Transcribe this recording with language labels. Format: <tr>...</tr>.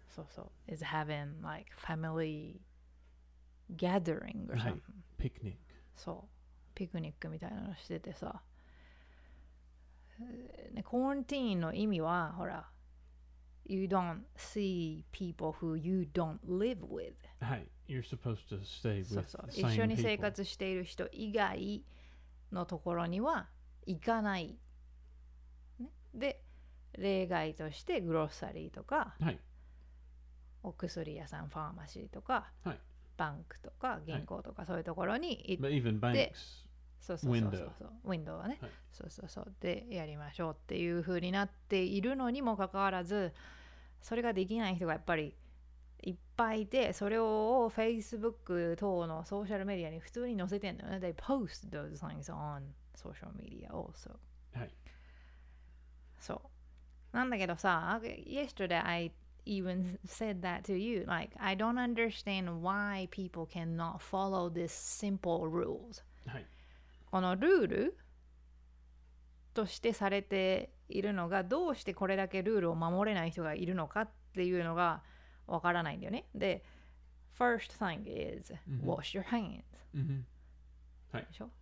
<en>そうそう is having like family gathering or something、 right. picnic</en> <ja>そうピクニックみたいなのしててさ、ね、コーンティーンの意味はほら</ja> <en>You don't see people who you don't live with. はい、You're supposed to stay with the same</en> <ja>people. 一緒に生活している人以外のところには行かない、ね、で例外としてグロッサリーとか、はい、お薬屋さん、ファーマシーとか、はい、バンクとか銀行とか、はい、そういうところに行</ja> <en>って、But even banks,</en> <ja>window. ウィンドウはね、はい、そうそうそうでやりましょうっていう風になっているのにもかかわらずそれができない人がやっぱりいっぱいいて、それを Facebook 等のソーシャルメディアに普通に載せてんのよね。</ja> <en>They post those things on social media also.</en> <ja>はい。そう。なんだけどさ、</ja> <en>Yesterday I even said that to you. Like, I don't understand why people cannot follow this simple rules.</en> <ja>はい。このルールとしてされているのが、どうしてこれだけルールを守れない人がいるのかっていうのが、わからないんだよね。</ja> <en>で、first thing is wash your hands。 Mm-hmm. はい。</en> <ja>でしょ。</ja>